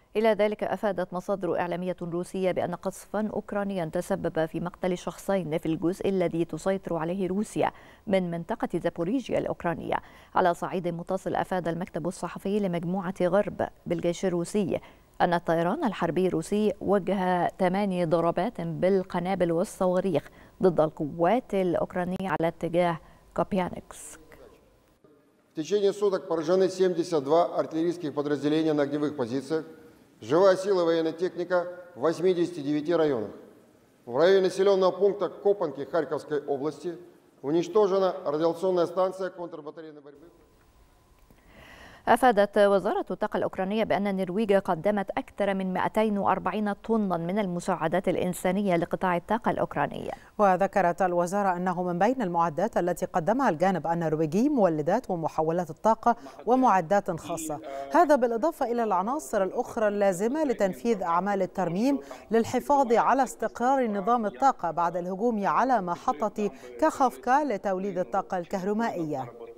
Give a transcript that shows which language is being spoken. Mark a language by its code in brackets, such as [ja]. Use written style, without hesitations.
[ar] إلى ذلك أفادت مصادر إعلامية روسية بأن قصفا أوكرانيا تسبب في مقتل شخصين في الجزء الذي تسيطر عليه روسيا من منطقة زابوريجيا الأوكرانية. على صعيد متصل أفاد المكتب الصحفي لمجموعة غرب بالجيش الروسي أن الطيران الحربي الروسي وجه 8 ضربات بالقنابل والصواريخ ضد القوات الأوكرانية على اتجاه كوبيانسك. [ru] في течение суток поражены 72 артиллерийских подразделения на огневых позициях, живая сила военной техники в 89 районах. В районе населенного пункта Копанки Харьковской области уничтожена радиационная станция контрбатарейной борьбы. [ar] أفادت وزارة الطاقة الأوكرانية بأن النرويج قدمت أكثر من 240 طنا من المساعدات الإنسانية لقطاع الطاقة الأوكرانية. وذكرت الوزارة أنه من بين المعدات التي قدمها الجانب النرويجي مولدات ومحولات الطاقة ومعدات خاصة، هذا بالإضافة إلى العناصر الأخرى اللازمة لتنفيذ أعمال الترميم للحفاظ على استقرار نظام الطاقة بعد الهجوم على محطة كاخوفكا لتوليد الطاقة الكهرومائية.